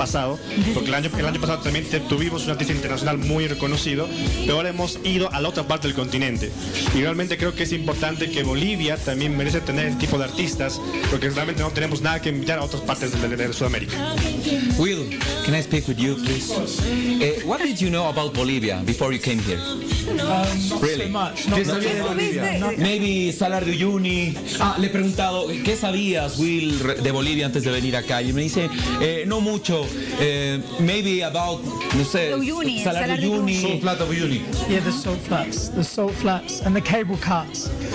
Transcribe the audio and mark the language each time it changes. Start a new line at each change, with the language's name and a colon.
Spanish: pasado, porque el año pasado también tuvimos un artista internacional muy reconocido, pero ahora hemos ido a la otra parte del continente. Y realmente creo que es importante que Bolivia también merece tener el tipo de artistas, porque realmente no tenemos nada que invitar a otras partes de Sudamérica.
English: Will, can I speak with you, please? What did you know about Bolivia before you came here? Really? So much. Not maybe Salar de Uyuni.
Spanish: Ah, le he preguntado, ¿qué sabías, Will, de Bolivia antes de venir acá? Y me dice, no mucho.
English: Maybe about,
Spanish: no sé, Salar de Uyuni.
English: Salt Flat of Uyuni. Yeah, the salt flats. The salt flats and the cable cars.